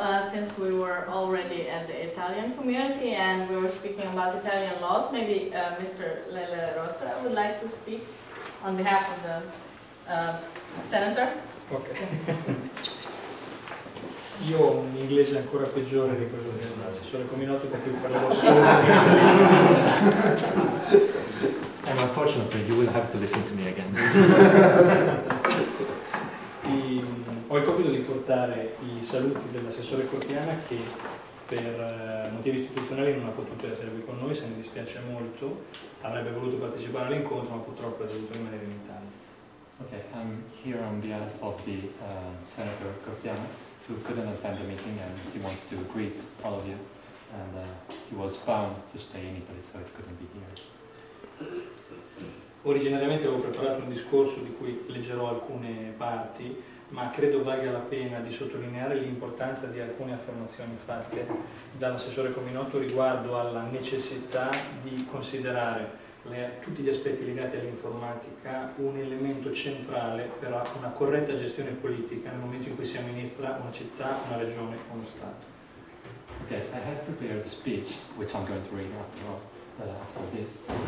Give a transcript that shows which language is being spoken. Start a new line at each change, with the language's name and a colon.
English: Since we were already at the Italian community and we were speaking about Italian laws, maybe Mr. Lele Rosa would like to speak on behalf of the Senator?
Italian: Okay. Io in inglese ancora peggiore di quello del Brasile, sono combinato perché parlavo solo.
English: And unfortunately, you will have to listen to me again.
Italian: ho il compito di portare i saluti dell'assessore Cortiana che per motivi istituzionali non ha potuto essere qui con noi, se ne dispiace molto, avrebbe voluto partecipare all'incontro ma purtroppo è dovuto rimanere in Italia.
English: Okay, I'm here on behalf of the Senator Cortiana, who couldn't attend the meeting and he wants to greet all of you. And he was bound to stay in Italy, so he couldn't be here.
Italian: Originariamente avevo preparato un discorso di cui leggerò alcune parti, ma credo valga la pena di sottolineare l'importanza di alcune affermazioni fatte dall'assessore Cominotto riguardo alla necessità di considerare tutti gli aspetti legati all'informatica un elemento centrale per una corretta gestione politica nel momento in cui si amministra una città, una regione o uno Stato.
English: Okay, I have prepared a speech, which I'm going to read after this.